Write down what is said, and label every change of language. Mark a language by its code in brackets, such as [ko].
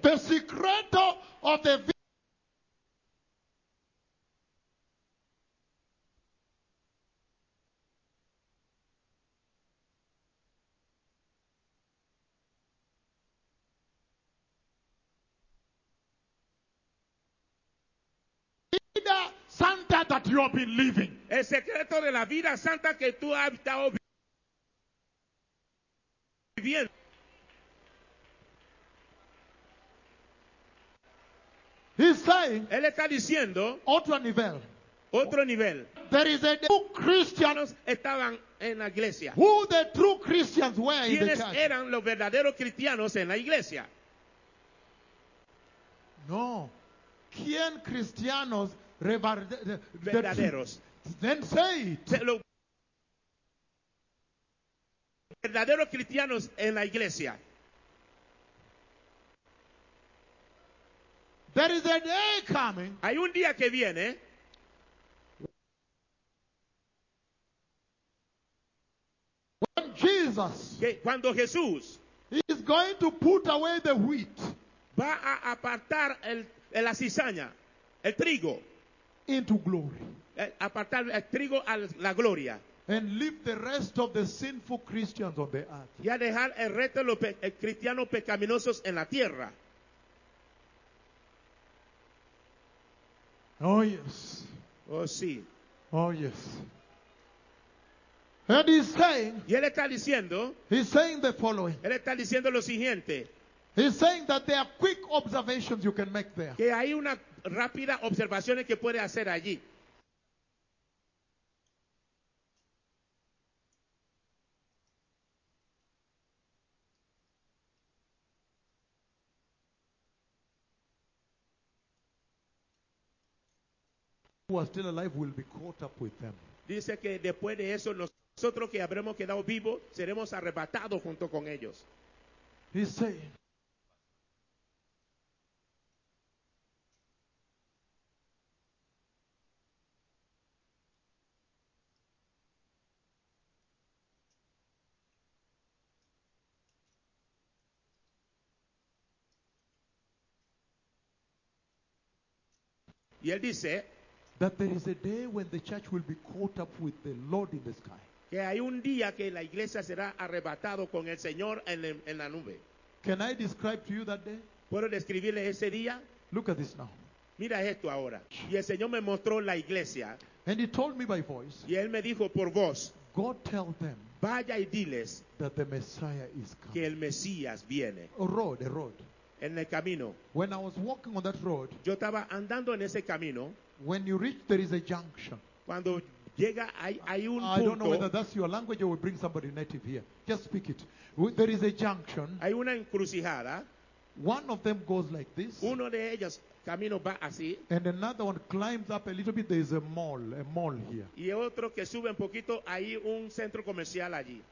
[en] The secreto of the Santa that you have been living. [es] El secreto de la vida santa que tú has estado viviendo. [en] He's saying. [es] Él está diciendo. Otro nivel. Otro nivel. [en] There is a true Christian. [es] Estaban en la iglesia. [en] Who the true Christians were in the church. [es] ¿Quiénes eran los verdaderos cristianos en la iglesia? No. ¿Quién cristianos? Verdaderos. [en] Then say it. [es] Verdaderos cristianos en la iglesia. [en] There is a day coming. [es] Hay un día que viene. [en] When Jesus. [es] Que cuando Jesús. [en] He is going to put away the wheat. [es] Va a apartar la cizaña, el trigo. [en] Into glory. [es] Apartar el trigo a la gloria. [en] And leave the rest of the sinful Christians on the earth. [es] Y a dejar el resto de los cristianos pecaminosos en la tierra. [en] Oh yes. [es] Oh sí. [en] Oh yes. And he's saying. [es] Y él está diciendo. [en] He's saying the following. [es] Él está diciendo lo siguiente. [en] He's saying that there are quick observations you can make there. [es] Que hay una rápida observaciones que puede hacer allí. [en] Who are still alive will be caught up with them. [es] Dice que después de eso los nosotros que habremos quedado vivos seremos arrebatados junto con ellos. [en] He's saying, [es] y él dice, [en] that there is a day when the church will be caught up with the Lord in the sky. [es] Que hay un día que la iglesia será arrebatado con el Señor en la nube. [en] Can I describe to you that day? [es] ¿Puedo describirle ese día? [en] Look at this now. [es] Mira esto ahora. Y el Señor me mostró la iglesia. [en] And he told me by voice. [es] Y él me dijo por voz. [en] God tell them. [es] Vaya y diles. [en] That the Messiah is coming. [es] Que el Mesías viene. [en] A road. [es] En el camino. [en] When I was walking on that road. [es] Yo estaba andando en ese camino. [en] When you reach, there is a junction. [es] Cuando llega, hay un punto. [en] I don't know whether that's your language or we bring somebody native here. Just speak it. There is a junction. [es] Hay una encrucijada. [en] One of them goes like this. [es] Uno de ellos camino va así. [en] And another one climbs up a little bit. There is a mall here. [es] Y otro que sube un poquito, hay un centro comercial allí.